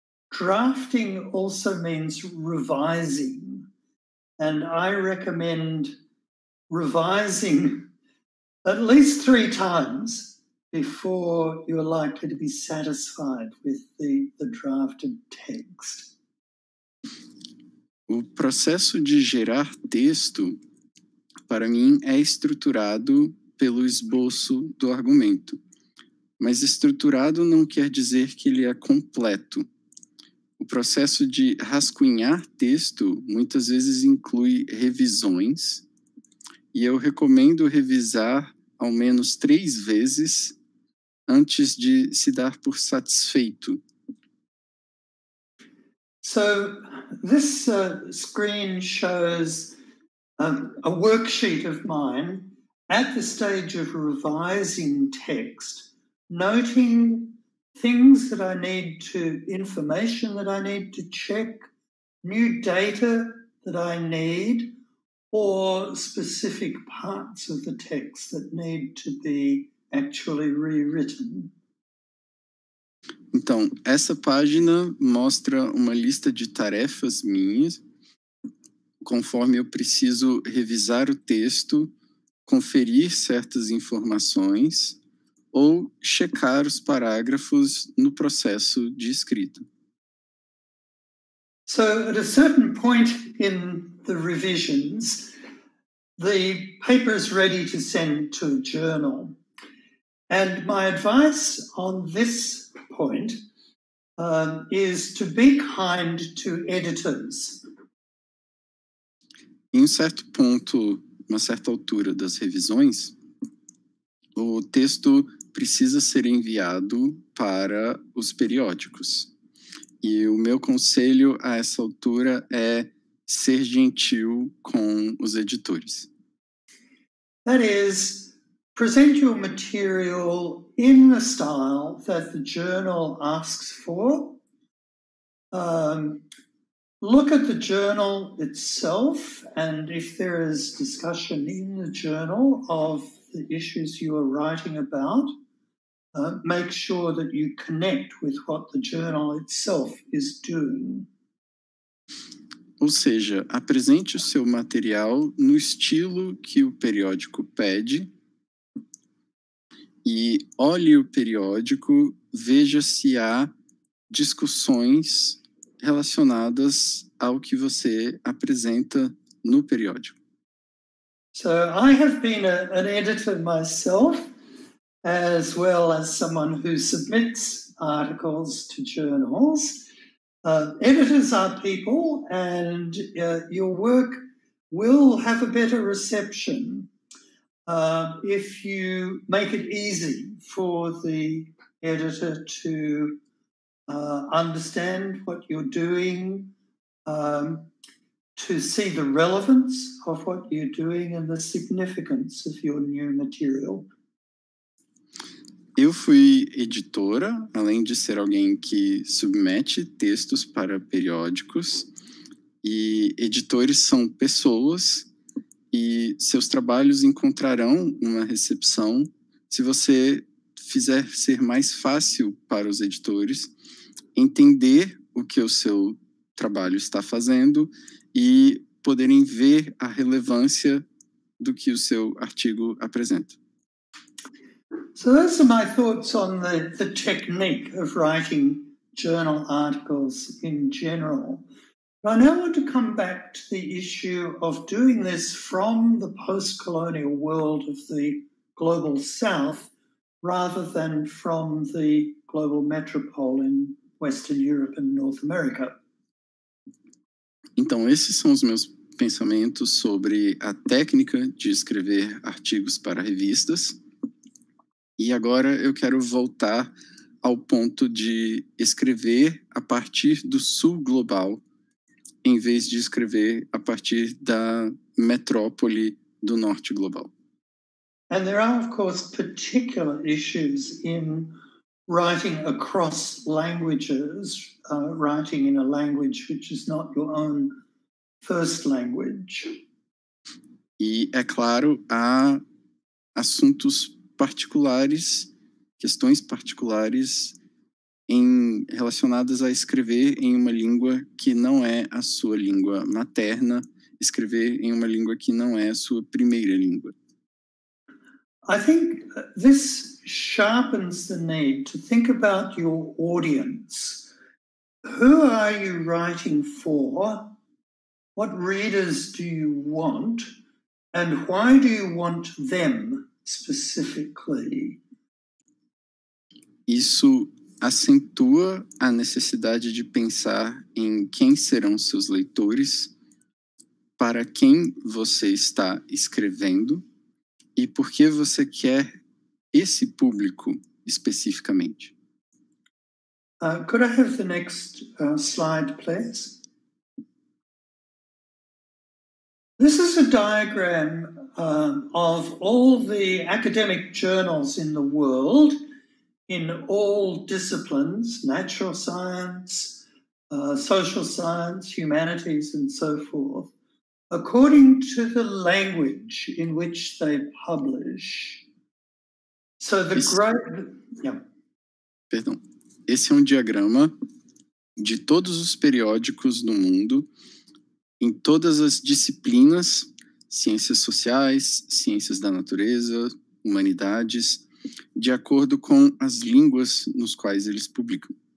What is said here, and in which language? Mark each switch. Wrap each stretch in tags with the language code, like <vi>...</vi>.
<en>Drafting also means revising, and I recommend revising at least 3 times before you are likely to be satisfied with the drafted text.</en> <pt>O processo de gerar texto, para mim, é estruturado pelo esboço do argumento. Mas estruturado não quer dizer que ele é completo. O processo de rascunhar texto muitas vezes inclui revisões, e eu recomendo revisar ao menos 3 vezes antes de se dar por satisfeito.</pt> <en>So, this screen shows a worksheet of mine at the stage of revising text, noting things that I need to, information that I need to check, new data that I need, or specific parts of the text that need to be actually rewritten.</en> <pt>Então, essa página mostra uma lista de tarefas minhas, conforme eu preciso revisar o texto, conferir certas informações, ou checar os parágrafos no processo de escrita.</pt> <en>So, at a certain point in the revisions, the paper is ready to send to a journal. And my advice on this point is to be kind to editors.</en> <pt>Em um certo ponto, uma certa altura das revisões, o texto precisa ser enviado para os periódicos. E o meu conselho a essa altura é ser gentil com os editores.</pt> <en>That is, present your material in the style that the journal asks for. Look at the journal itself, and if there is discussion in the journal of the issues you are writing about, make sure that you connect with what the journal itself is doing.</en> <pt>Ou seja, apresente o seu material no estilo que o periódico pede e olhe o periódico, veja se há discussões relacionadas ao que você apresenta no periódico.</pt> <en>So I have been an editor myself, as well as someone who submits articles to journals. Editors are people, and your work will have a better reception if you make it easy for the editor to understand what you're doing, to see the relevance of what you're doing and the significance of your new material.</en> <pt>Eu fui editora, além de ser alguém que submete textos para periódicos, e editores são pessoas, e seus trabalhos encontrarão uma recepção se você fizer ser mais fácil para os editores entender o que o seu trabalho está fazendo e poderem ver a relevância do que o seu artigo apresenta.</pt> <en>So those are my thoughts on the technique of writing journal articles in general. But I now want to come back to the issue of doing this from the post-colonial world of the global south rather than from the global metropole in Western Europe and North America.</en> <pt>Então, esses são os meus pensamentos sobre a técnica de escrever artigos para revistas. E agora eu quero voltar ao ponto de escrever a partir do sul global, em vez de escrever a partir da metrópole do norte global.</pt> <en>And there are, of course, particular issues in writing across languages, writing in a language which is not your own first language.</en> <pt>E, é claro, há assuntos particulares, questões particulares relacionadas a escrever em uma língua que não é a sua língua materna, escrever em uma língua que não é a sua primeira língua.</pt> <en>I think this sharpens the need to think about your audience. Who are you writing for? What readers do you want? And why do you want them? Specifically.</en> <pt>Isso acentua a necessidade de pensar em quem serão seus leitores, para quem você está escrevendo e por que você quer esse público especificamente.</pt> <en>Could I have the next slide, please? This is a diagram of all the academic journals in the world, in all disciplines, natural science, social science, humanities, and so forth, according to the language in which they publish. So the</en> <pt>Perdão. Esse é um diagrama de todos os periódicos do mundo, em todas as disciplinas, ciências sociais, ciências da natureza, humanidades, de acordo com as línguas nos quais eles publicam.</pt>